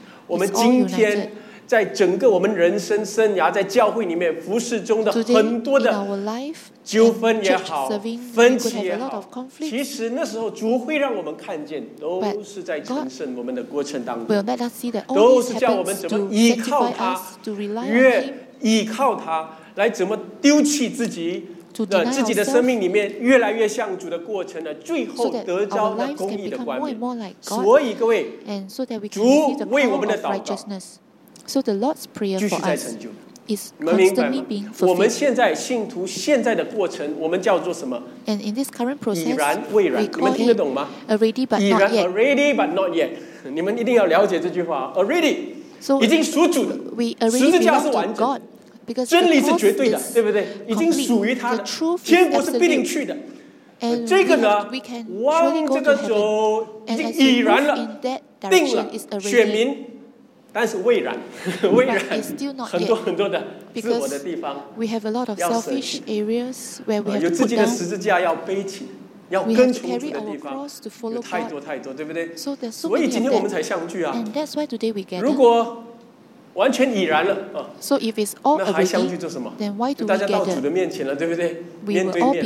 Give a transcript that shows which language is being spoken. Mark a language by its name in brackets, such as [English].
[Chinese] 我们今天在整个我们人生生涯，在教会里面服事中的很多的纠纷也好，分歧也好，其实那时候主会让我们看见，都是在成圣我们的过程当中，都是叫我们怎么依靠他，越依靠他来怎么丢弃自己的自己的生命里面越来越像主的过程呢，最后得着那公义的冠冕。所以各位，主为我们的祷告， [English] So the Lord's prayer for us is constantly being fulfilled. [Chinese] 我们现在信徒现在的过程，我们叫做什么？ [English] And in this current process, [Chinese] 已然未然，你们听得懂吗？ [English] Already but not yet. 已然 already but not yet. [Chinese] 你们一定要了解这句话。Already, 已经属主的，十字架是完整的，真理是绝对的，对不对？已经属于他的，天国是必定去的。这个呢，往这个走，已经已然了，定了，选民。但是未然，未然，很多很多的自我的地方， [English] we have a lot of selfish areas where we have [Chinese] 有自己的十字架要背起，要跟从主的地方， [English] cross to follow [Chinese] 有太多太多，对不对？ [English] So there's so many [Chinese] 所以今天我们才相聚啊。 [English] And that's why today we gather. [Chinese] 如果完全已然了， [English] So if it's all [Chinese] already, 那还相聚做什么？ [English] Then why do we [Chinese] gather? 大家到主的面前了，对不对？ [English] We will [Chinese] 面对面